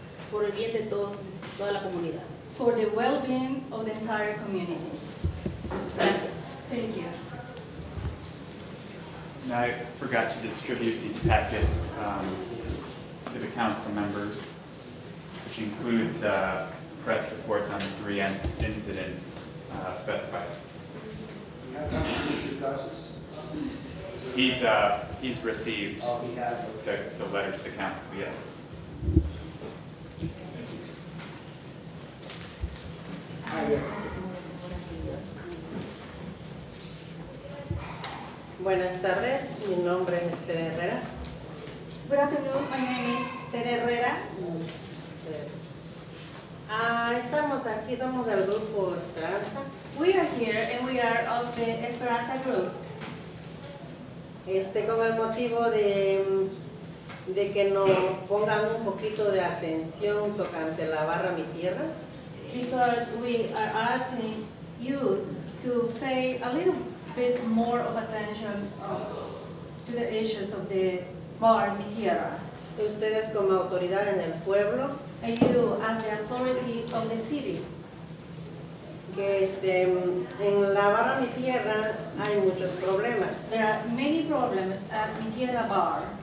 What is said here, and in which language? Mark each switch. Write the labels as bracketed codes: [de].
[es] Por el bien de todos, toda la comunidad. [en] For the well-being of the entire community. Thank you. And I forgot to distribute these packets to the council members. which includes press reports on the three incidents specified. Do you have any of Mr. Gus's? He's received the letter to the council, yes. [es] Buenas tardes, mi nombre es Esther Herrera. [en] Good afternoon, my name is Esther Herrera. [es] Estamos aquí, somos del grupo Esperanza. [en] We are here and we are of the Esperanza group. [es] Con el motivo de que nos pongan un poquito de atención tocante la barra Mi Tierra. [en] Because we are asking you to pay a little bit more of attention to the issues of the bar Mi Tierra. [es] Ustedes como autoridad en el pueblo. [en] And you as the authority of the city. [es] Que en la barra Mi Tierra hay muchos problemas. [en] There are many problems at Mi Tierra Bar.